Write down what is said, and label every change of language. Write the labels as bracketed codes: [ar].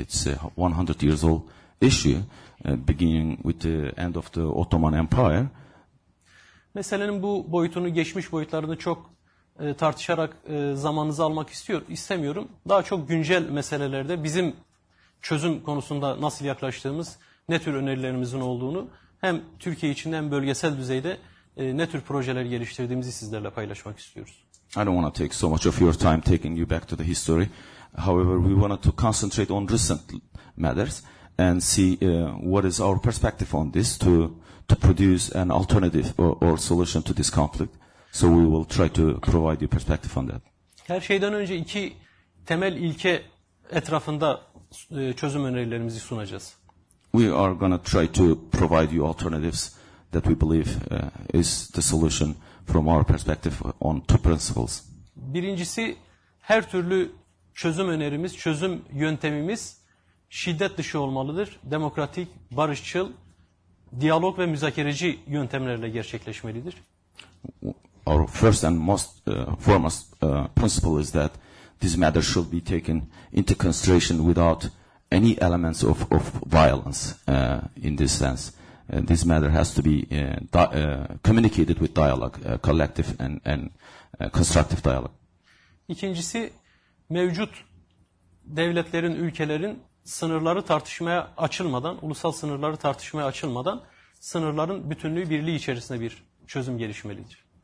[en] It's a 100 years old issue, beginning with the end of the Ottoman Empire. [tr] Meselenin bu boyutunu, geçmiş boyutlarını çok tartışarak zamanınızı almak istemiyorum. Daha çok güncel meselelerde bizim çözüm konusunda nasıl yaklaştığımız, ne tür önerilerimizin olduğunu hem Türkiye içinde hem bölgesel düzeyde ne tür projeler geliştirdiğimizi sizlerle paylaşmak istiyoruz. [en] I don't want to take so much of your time taking you back to the history. However, we wanted to concentrate on recent matters and see what is our perspective on this to produce an alternative or solution to this conflict. So we will try to provide you perspective on that. [tr] Her şeyden önce iki temel ilke etrafında çözüm önerilerimizi sunacağız. [en] We are going to try to provide you alternatives that we believe is the solution from our perspective on two principles. [tr] Birincisi, her türlü çözüm önerimiz, çözüm yöntemimiz şiddet dışı olmalıdır. Demokratik, barışçıl, diyalog ve müzakereci yöntemlerle gerçekleşmelidir. [en] Our first and most foremost principle is that this matter should be taken into consideration without any elements of violence in this sense. And this matter has to be communicated with dialogue, collective and constructive dialogue. [tr] İkincisi, mevcut devletlerin, ülkelerin sınırları tartışmaya açılmadan, ulusal sınırları tartışmaya açılmadan, sınırların bütünlüğü birliği içerisinde bir çözüm gelişmelidir.